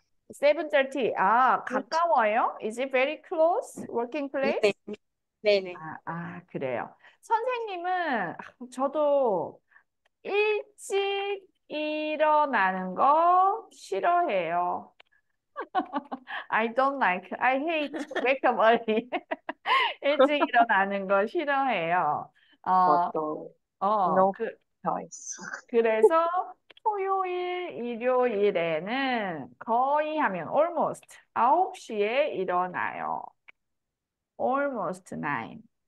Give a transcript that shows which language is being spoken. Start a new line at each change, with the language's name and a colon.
English: 7:30.
Korean: 아, 가까워요?
English: Is it very close working place?
Korean: 네. 그래요. 선생님은 저도 일찍 일어나는 거 싫어해요.
English: I don't like, I hate wake up early.
Korean: 일찍 일어나는 거 싫어해요. 보통
English: no 초이스.
Korean: 그래서 토요일, 일요일에는 거의 하면
English: almost
Korean: 9시에 일어나요.
English: Almost 9.